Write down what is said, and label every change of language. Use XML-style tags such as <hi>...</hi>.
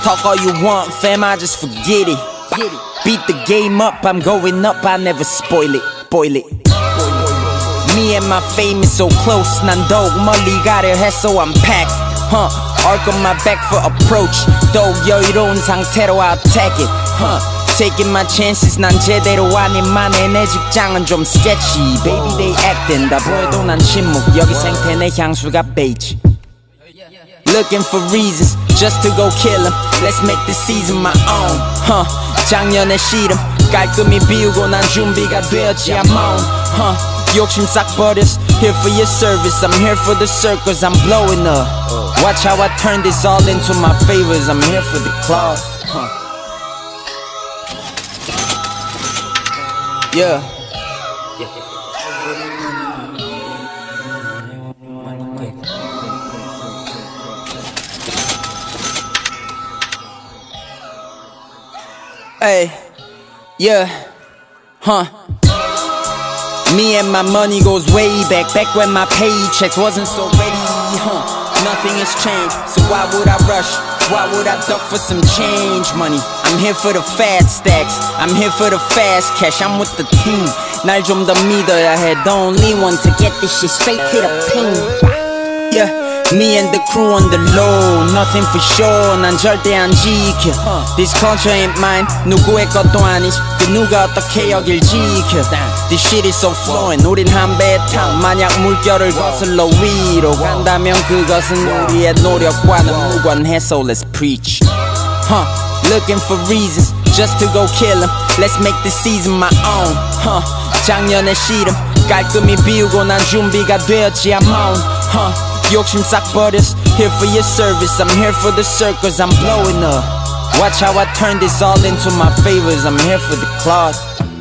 <en>Talk all you want, fam. I just forget it. Beat the game up, I'm going up, I never spoil it, boil it. Me and my fame is so close,</en> <ko>난 더욱 멀리 가려 해,</ko> <en>so I'm packed, huh. Arc on my back for approach,</en> <ko>더욱 여유로운 상태로</ko> <en>attack it, huh. Taking my chances,</en> <ko>난 제대로 아니만해, 내 직장은 좀 sketchy.</ko> <en>Baby, they actin</en> <ko>다, 보여도 난 침묵, 여기 생태 내 향수가 beige.</ko> <en>Looking for reasons, just to go kill him. Let's make this season my own, huh.</en> <ko>작년에 시름 깔끔히 비우고 난 준비가 되었지.</ko> <en>I'm on, huh.</en> <ko>욕심 싹 버렸어.</ko> <en>Here for your service, I'm here for the circles. I'm blowing up, watch how I turn this all into my favors. I'm here for the cloth, huh. Yeah. Hey, yeah, huh. Me and my money goes way back. Back when my paychecks wasn't so ready, huh. Nothing has changed, so why would I rush? Why would I duck for some change money? I'm here for the fat stacks, I'm here for the fast cash. I'm with the team,</en> <ko>날 좀 더 믿어야 해.</ko> <en>The only one to get this shit straight to the pin. Yeah, me and the crew on the low, nothing for sure,</en> <ko>난 절대 안 지켜.</ko> <en>This culture ain't mine,</en> <ko>누구의 것도 아니지. 그 누가 어떻게 여길 지켜.</ko> <en>This shit is so flowing,</en> <ko>우린 한 배에 타. 만약 물결을 거슬러 위로 간다면 그것은 우리의 노력과는 무관해.</ko> <en>So let's preach, huh. Looking for reasons just to go kill him. Let's make this season my own, huh.</en> <ko>작년에 시름 깔끔히 비우고 난 준비가 되었지.</ko> <en>I'm on, huh.</en> <ko>욕심 싹 버렸어.</ko> <en>Here for your service, I'm here for the circles. I'm blowing up, watch how I turn this all into my favors. I'm here for the cloth, huh.</en>